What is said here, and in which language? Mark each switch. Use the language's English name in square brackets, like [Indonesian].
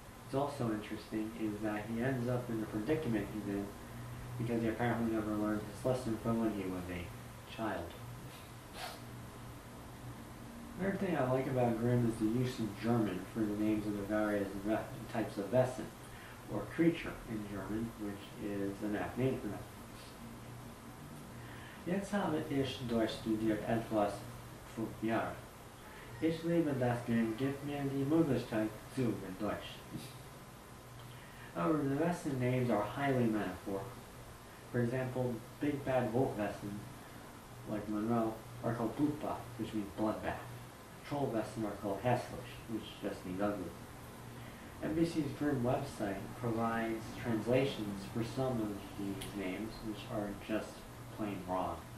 [English] What's also interesting is that he ends up in the predicament he's in because he apparently never learned his lesson from when he was a child. The third thing I like about Grimm is the use of German for the names of the various types of Wesen, or creature in German, which is an apt name for them. [German] Jetzt habe ich durchstudiert etwas für Jahre. Ich liebe das Grimm, gibt mir die Möglichkeit zu in Deutsch. [English] However, the Wesen names are highly metaphorical. For example, Big Bad Wolf Wesen, like Monroe, are called Blutba, which means bloodbath. Troll Wesen are called Hässlich, which just means ugly. NBC's Grimm website provides translations for some of these names, which are just plain wrong.